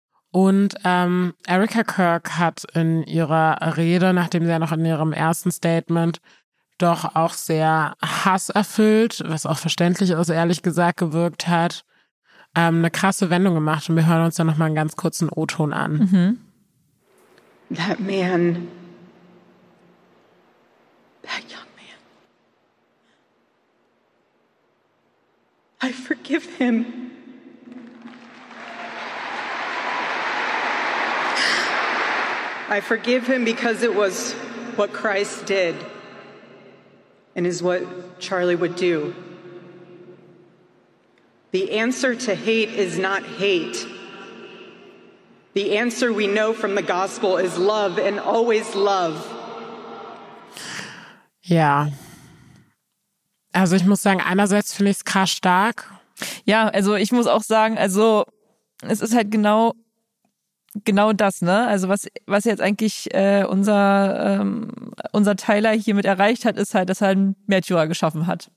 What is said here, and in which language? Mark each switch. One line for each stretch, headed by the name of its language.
German: Und Erica Kirk hat in ihrer Rede, nachdem sie ja noch in ihrem ersten Statement doch auch sehr Hass erfüllt, was auch verständlich ist, ehrlich gesagt, gewirkt hat, eine krasse Wendung gemacht. Und wir hören uns dann nochmal einen ganz kurzen O-Ton an. Mhm.
English: That man, that young man, I forgive him. I forgive him because it was what Christ did and is what Charlie would do. The answer to hate is not hate. The answer we know from the gospel is love and always love.
German: Ja. Also ich muss sagen, einerseits finde ich es krass stark. Ja, also ich muss auch sagen, also es ist halt genau das, ne? Also was jetzt eigentlich unser Tyler hiermit erreicht hat, ist halt, dass er einen Märtyrer geschaffen hat.